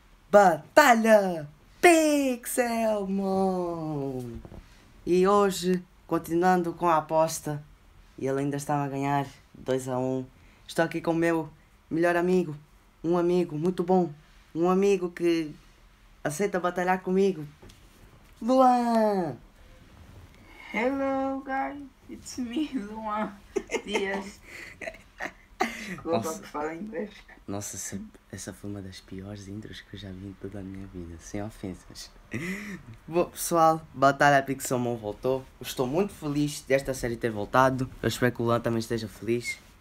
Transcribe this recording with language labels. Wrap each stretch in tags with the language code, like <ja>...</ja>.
<pt>Batalha Pixel, mano. E hoje, continuando com a aposta, e ele ainda estava a ganhar 2 a 1, estou aqui com o meu melhor amigo, um amigo muito bom. Um amigo que aceita batalhar comigo. Luan!</pt> <en>Hello guys, it's me, Luan Dias.</en> <pt>Desculpa Nossa. por falar inglês. Nossa, essa foi uma das piores intros que eu já vi em toda a minha vida. Sem ofensas. Bom, pessoal, Batalha Pixel Mon voltou. Estou muito feliz desta série ter voltado. Eu espero que o Luan também esteja feliz.</pt>